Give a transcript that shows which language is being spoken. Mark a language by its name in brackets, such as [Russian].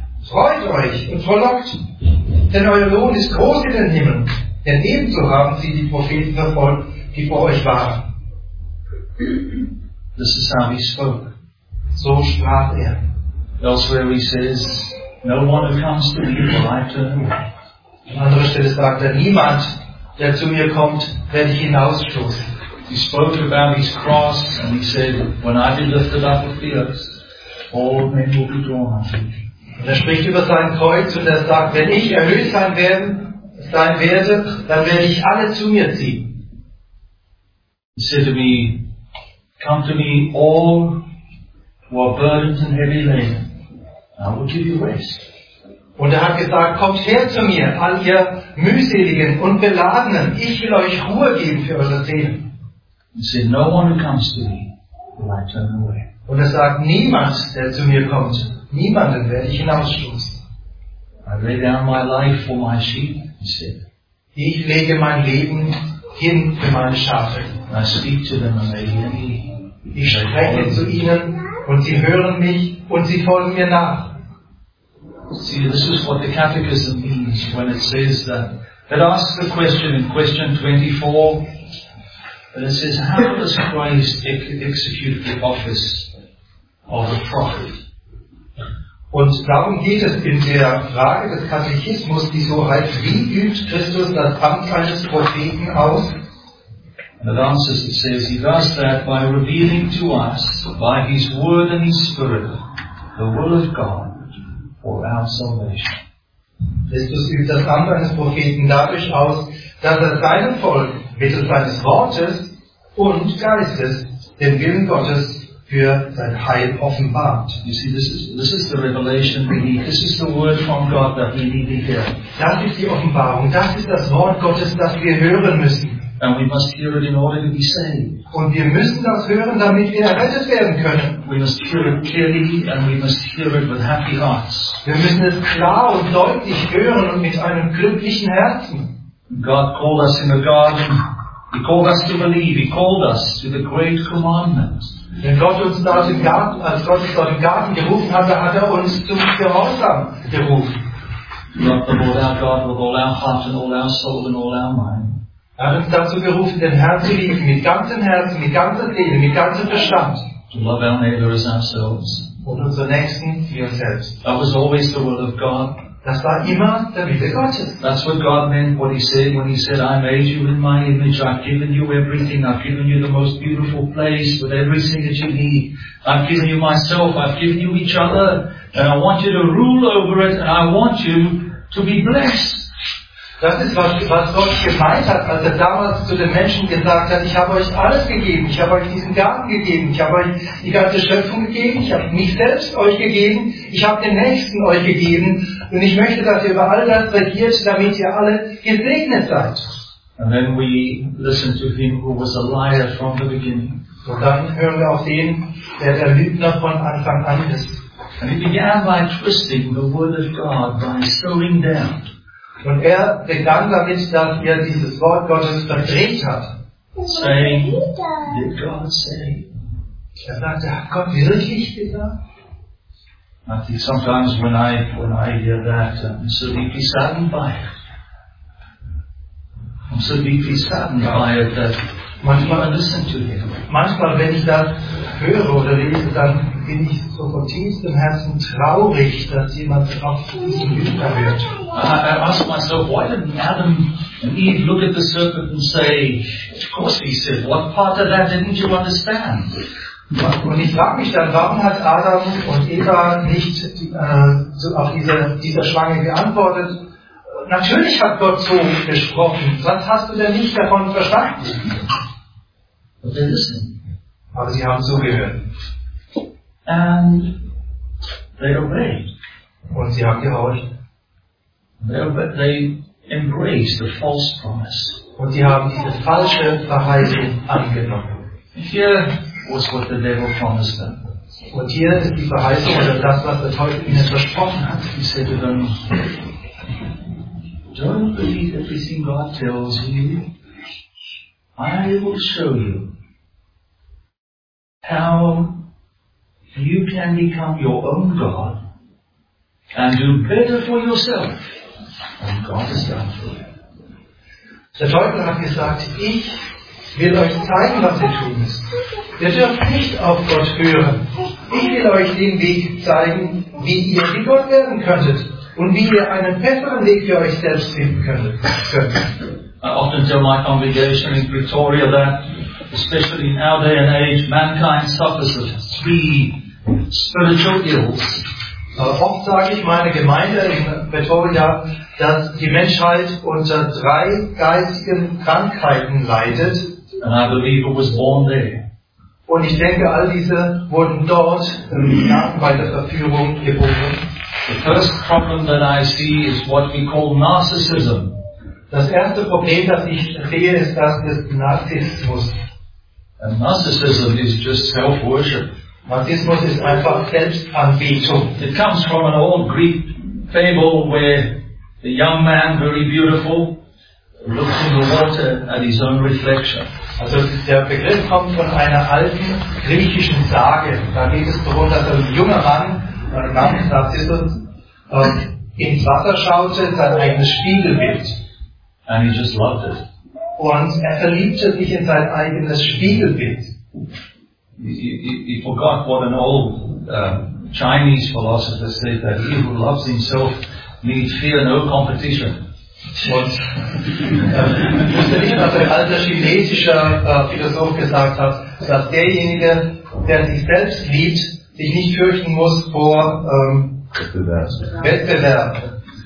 [German] Freut euch und frohlockt, denn euer Lohn ist groß in den Himmeln, denn ebenso haben sie die Propheten verfolgt, die vor euch waren. [English] This is how he spoke. [German] So sprach er. [English] Elsewhere he says, no one who comes to me will I turn away. [German] An anderer Stelle sagt er, niemand, der zu mir kommt, werde ich hinausstoßen. [English] He spoke about his cross and he said, when I be lifted up with the earth, all men will be drawn unto me. [German] Er spricht über sein Kreuz und er sagt, wenn ich erhöht sein werde, dann werde ich alle zu mir ziehen. [English] He said to me, come to me all who are burdened and heavy laden, I will give you rest. [German] Und er hat gesagt, kommt her zu mir, all ihr Mühseligen und Beladenen, ich will euch Ruhe geben für eure Seelen. [English] He said, no one who comes to me will I turn away. [German] Und er sagt, niemand, der zu mir kommt, niemanden werde ich hinausstoßen. [English] I lay down my life for my sheep, he said. [German] Ich lege mein Leben hin für meine Schafe. [English] And I speak to them and they hear me. [German] Ich spreche zu ihnen und sie hören mich und sie folgen mir nach. [English] See, this is what the catechism means when it says that. It asks the question in question 24, and it says, how does Christ execute the office of the prophet? [German] Und darum geht es in der Frage des Katechismus, die so heißt, wie übt Christus das Amt eines Propheten aus? [English] And it answers, it says, he does that by revealing to us, by his word and his spirit, the will of God. For our salvation. [German] Christus übt das Amt eines Propheten dadurch aus, dass er seinem Volk mittels seines Wortes und Geistes den Willen Gottes für sein Heil offenbart. [English] You see, this is the revelation we need. This is the word from God that we need to hear. [German] Das ist die Offenbarung. Das ist das Wort Gottes, das wir hören müssen. [English] And we must hear it in order to be saved. [German] Und wir müssen das hören, damit wir errettet werden können. [English] We must hear it clearly and we must hear it with happy hearts. [German] Wir müssen es klar und deutlich hören und mit einem glücklichen Herzen. [English] God called us in the garden. He called us to believe. He called us to the great commandment. [German] Wenn Gott uns da aus dem Garten, als Gott uns aus dem Garten gerufen hat, da hat er uns zum Gehorsam gerufen. [English] Love the Lord our God with all our heart and all our soul and all our mind. [German] Er hat uns dazu gerufen, den Herrn zu lieben, mit ganzem Herzen, mit ganzer Seele, mit ganzem Verstand. [English] To love our neighbor as ourselves. [German] Und unseren Nächsten wie uns selbst. [English] That was always the will of God. [German] Das war immer der Wille Gottes. [English] That's what God meant, what he said when he said, I made you in my image, I've given you everything, I've given you the most beautiful place with everything that you need. I've given you myself, I've given you each other, and I want you to rule over it, and I want you to be blessed. [German] Das ist, was Gott gemeint hat, als er damals zu den Menschen gesagt hat, ich habe euch alles gegeben, ich habe euch diesen Garten gegeben, ich habe euch die ganze Schöpfung gegeben, ich habe mich selbst euch gegeben, ich habe den Nächsten euch gegeben und ich möchte, dass ihr über all das regiert, damit ihr alle gesegnet seid. [English] And then we listen to him who was a liar from the beginning. [German] Und dann hören wir auf den, der Lügner von Anfang an ist. [English] And he began by twisting the word of God, by sowing down. [German] Und er begann damit, dass er dieses Wort Gottes verdreht hat. [English] Saying, did God say? [German] Er sagte, hat Gott wirklich gesagt? [English] I think sometimes when I hear that, I'm so deeply saddened by it. I'm so deeply saddened by it that [German] manchmal [English] I listen to him. [German] Manchmal, wenn ich das höre oder lese, dann bin ich so von tiefstem Herzen traurig, dass jemand auf diesen Lügner hört. [English] I ask myself, why didn't Adam and Eve look at the serpent and say, of course he said, what part of that didn't you understand? [German] Und ich frage mich dann, warum hat Adam und Eva nicht auf dieser Schlange geantwortet? Natürlich hat Gott so gesprochen, was hast du denn nicht davon verstanden? [English] But they listen. [German] Aber sie haben zugehört. [English] And they obeyed. [German] Und sie haben gehorcht. [English] They embraced the false promise. [German] Und sie haben diese falsche Verheißung angenommen. [English] Here was what the devil promised them. [German] Und hier ist die Verheißung oder das, was der Teufel ihnen versprochen hat. [English] He said to them, don't believe everything God tells you. I will show you how you can become your own God and do better for yourself. And God is done for you. [German] Der Teufel hat gesagt, ich will euch zeigen, was ihr tun müsst. Ihr dürft nicht auf Gott hören. Ich will euch den Weg zeigen, wie ihr wie Gott werden könntet und wie ihr einen besseren Weg für euch selbst finden könntet. [English] I often tell my congregation in Pretoria that, especially in our day and age, mankind suffers of three spiritual ills. [German] Oft sage ich meiner Gemeinde in Pretoria, dass die Menschheit unter drei geistigen Krankheiten leidet. [English] And I believe it was born there. [German] Und ich denke, all diese wurden dort bei der Verführung geboren. [English] The first problem that I see is what we call narcissism. [German] Das erste Problem, das ich sehe, ist das des Narzissmus. [English] And narcissism is just self-worship. [German] Narzissmus ist einfach Selbstanbetung. [English] It comes from an old Greek fable where the young man, very beautiful, looks in the water at his own reflection. [German] Also der Begriff kommt von einer alten griechischen Sage. Da geht es darum, dass ein junger Mann, namens Narzissmus, ins Wasser schaute, sein eigenes Spiegelbild. [English] And he just loved it. [German] Und er verliebte sich in sein eigenes Spiegelbild. [English] He forgot what an old Chinese philosopher said, that he who loves himself needs fear no competition. [German] Was ein alter chinesischer Philosoph gesagt hat, dass derjenige, der sich selbst liebt, sich nicht fürchten muss vor Wettbewerb.